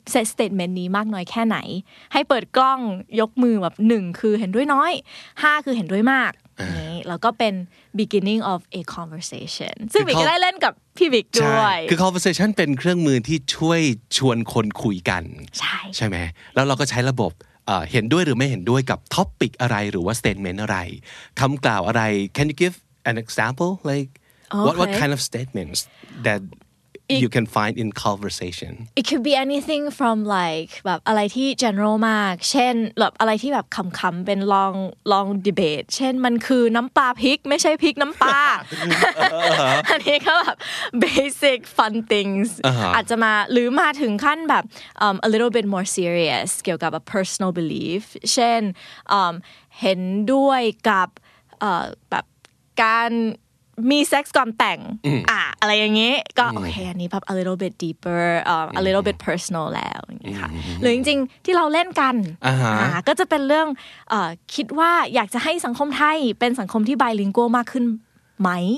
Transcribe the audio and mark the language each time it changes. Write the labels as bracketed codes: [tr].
[th] statement นี้มากน้อยแค่ไหนให้เปิดกล้องยกมือแบบ1คือเห็นด้วยน้อย5คือเห็นด้วยมากแล้วก็เป็น [en] beginning of a conversation [th] ซึ่งวิกได้เล่นกับพี่วิกด้วย คือ conversation เป็นเครื่องมือที่ช่วยชวนคนคุยกัน ใช่ ใช่มั้ยแล้วเราก็ใช้ระบบเห็นด้วยหรือไม่เห็นด้วยกับท็อปปิกอะไรหรือว่าสเตทเมนต์อะไรคำกล่าวอะไร [en] Can you give an example like okay. what kind of statements thatyou can find in conversation it could be anything from like [th] แบบอะไรที่ general มากเช่นแบบอะไรที่แบบคำๆเป็น [en] long debate [th] เช่นมันคือน้ำปลาพริกไม่ใช่พริกน้ำปลา อันนี้ก็แบบ [en] basic fun things uh-huh. [th] อาจจะมาหรือมาถึงขั้นแบบ [en] a little bit more serious [th] เกี่ยวกับ [en] a personal belief [th] เช่นเห็นด้วยกับแบบการมีเซ็กส์ก่อนแต่งอะไรอย่างงี้ก็โอเคอันนี้แบบ [en] a little bit deeper a little bit personal [th] แล้วหรือจริงๆที่เราเล่นกันก็จะเป็นเรื่องคิดว่าอยากจะให้สังคมไทยเป็นสังคมที่ไบลิงกัวมากขึ้นไหม